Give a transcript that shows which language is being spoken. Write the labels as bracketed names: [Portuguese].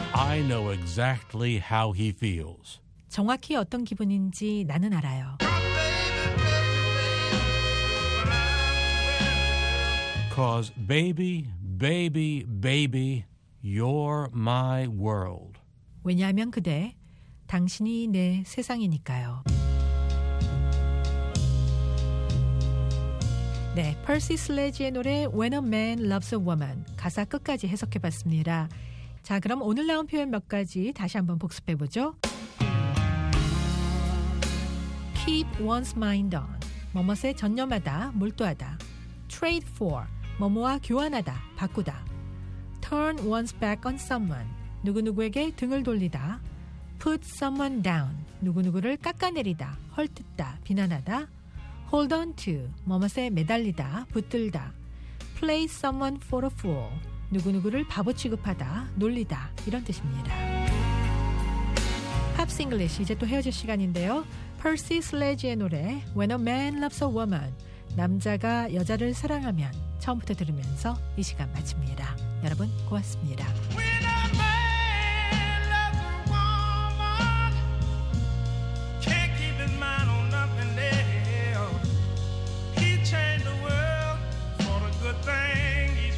[English] I know exactly how he feels. [Korean] 정확히 어떤 기분인지 나는 알아요. [English] Cause baby, baby, baby, you're my world. [Korean] 왜냐하면 그대, 당신이 내 세상이니까요. 네, Percy Sledge의 노래 When a Man Loves a Woman 가사 끝까지 해석해봤습니다. 자, 그럼 오늘 나온 표현 몇 가지 다시 한번 복습해보죠. [English] Keep one's mind on [Korean] 뭐뭐에 전념하다, 몰두하다. [English] Trade for [Korean] 뭐뭐와 교환하다, 바꾸다. [English] Turn one's back on someone [Korean] 누구누구에게 등을 돌리다. [English] Put someone down [Korean] 누구누구를 깎아내리다, 헐뜯다, 비난하다. [English] Hold on to [Korean] 뭐뭐에 매달리다, 붙들다. [English] Play someone for a fool [Korean] 누구누구를 바보 취급하다, 놀리다, 이런 뜻입니다. Pops English 이제 또 헤어질 시간인데요. Percy Sledge의 노래 When a Man Loves a Woman 남자가 여자를 사랑하면 처음부터 들으면서 이 시간 마칩니다. 여러분 고맙습니다. [English] When a man loves a woman Can't keep his mind on nothing else He changed the world for a good thing